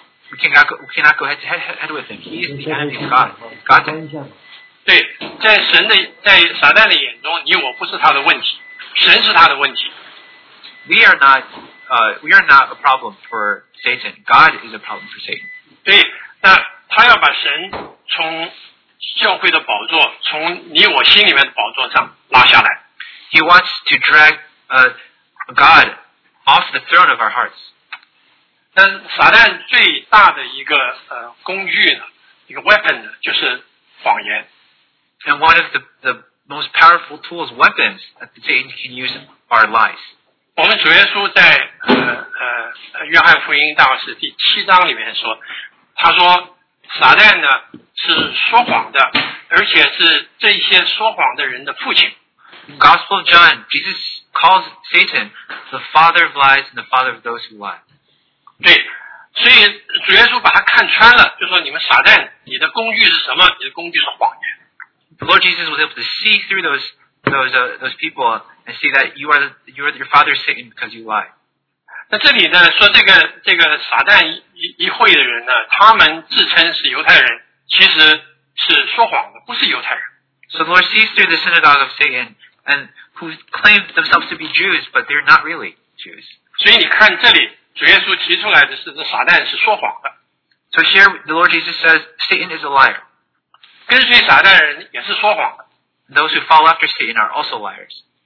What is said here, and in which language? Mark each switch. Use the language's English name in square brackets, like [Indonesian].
[English] We cannot go head to head with him. He is the enemy of God. God. [Chinese] 对，在神的在撒旦的眼中，你我不是他的问题，神是他的问题。 [English] We are not a problem for Satan. God is a problem for Satan. [Chinese] 对，那他要把神从教会的宝座，从你我心里面的宝座上拉下来。 [English] He wants to drag God off the throne of our hearts. [Chinese] 但撒旦最大的一个工具呢，一个 weapon 呢，就是谎言。 [English] And one of the most powerful tools, weapons that Satan can use are lies. [Chinese] 我们主耶稣在约翰福音大使第七章里面说，他说撒旦呢是说谎的，而且是这些说谎的人的父亲。 [English] Gospel of John, Jesus calls Satan the father of lies and the father of those who lie. [Chinese] 对，所以主耶稣把他看穿了，就说你们撒旦，你的工具是什么？你的工具是谎言。 [English] The Lord Jesus was able to see through those people and see that you are your father Satan because you lie. [Chinese] 那这里呢，说这个撒旦一会的人呢，他们自称是犹太人，其实是说谎的，不是犹太人。 [English] So the Lord sees through the synagogue of Satan and who claim themselves to be Jews, but they're not really Jews. [Chinese] 所以你看这里，主耶稣提出来的是，这撒旦是说谎的。 [English] So here the Lord Jesus says Satan is a liar. [Chinese] 跟随撒旦人也是说谎的。 [English] Those who follow after Satan are also liars.